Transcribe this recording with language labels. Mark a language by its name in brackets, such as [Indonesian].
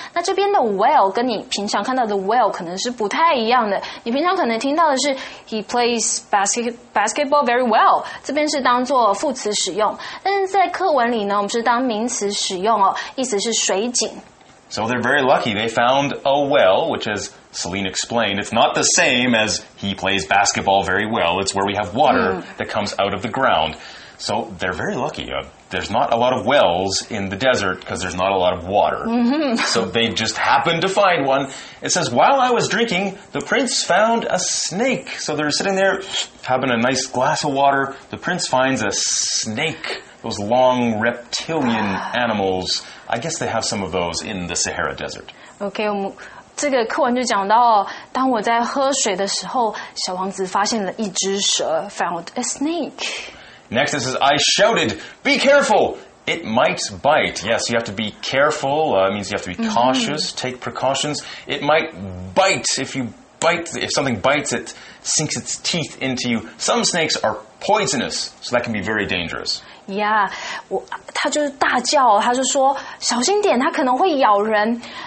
[Chinese] 那这边的 well 跟你平常看到的 well 可能是不太一样的。你平常可能听到的是 [English] he plays basketball very well， [Chinese] 这边是当作副词使用。但是在课文里呢，我们是当名词使用哦，意思是水井。 [English] So they're very lucky. They found a well, which is. Celine explained, it's not the same as he plays basketball very well. It's where we have water that comes out of the ground. So they're very lucky. There's not a lot of wells in the desert because there's not a lot of water. So they just happened to find one. It says, while I was drinking, the prince found a snake. So they're sitting there having a nice glass of water. The prince finds a snake, those long reptilian animals. I guess they have some of those in the Sahara Desert. Okay, I'm... [Chinese] 这个课文就讲到，当我在喝水的时候，小王子发现了一只蛇 ， [English] found a snake. Next, this is I shouted, "Be careful! It might bite." Yes, you have to be careful. It means you have to be cautious, take precautions. It might bite. If something bites, it sinks its teeth into you. Some snakes are poisonous, so that can be very dangerous. Yeah, [Chinese] 他就是大叫，他就说小心点，它可能会咬人。